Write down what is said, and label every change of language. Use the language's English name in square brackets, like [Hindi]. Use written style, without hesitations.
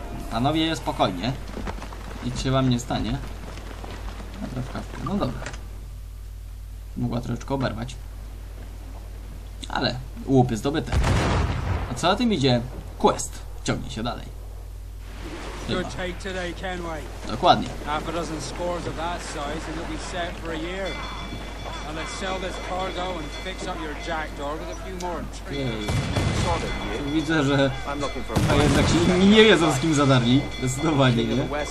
[Polish] Panowie, spokojnie. Nic się wam nie stanie. No dobra. Mogła troszeczkę oberwać. Ale łupy zdobyte. A co na tym idzie? Quest ciągnie się dalej. chyba. Dokładnie. [English] Half a dozen scores of that size and it'll be set for a year. And let's sell this cargo and fix up your jackdaw with a few more trees. [Polish] Widzę, że a jednak się nie wiedzą, z kim zadarli. Zdecydowanie nie.